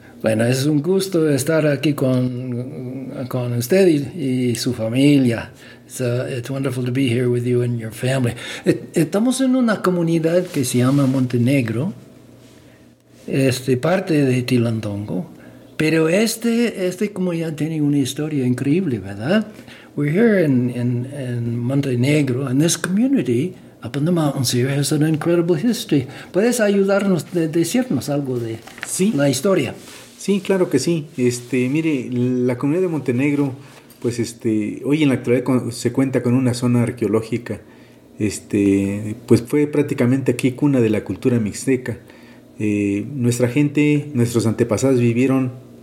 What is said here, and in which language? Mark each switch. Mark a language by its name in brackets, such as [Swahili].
[Spanish] Bueno, es un gusto estar aquí con usted y su familia. [English] It's wonderful to be here with you and your family. [Spanish] Estamos en una comunidad que se llama Montenegro, parte de Tilantongo, pero esta comunidad tiene una historia increíble, ¿verdad? [English] We're here in Montenegro, and this community up in the mountains here has an incredible history. [Spanish] ¿Puedes ayudarnos a decirnos algo de sí, la historia? Sí, claro que sí. Mire, la comunidad de Montenegro, pues hoy en la actualidad se cuenta con una zona arqueológica. Pues fue prácticamente aquí cuna de la cultura mixteca. Nuestra gente, nuestros antepasados vivieron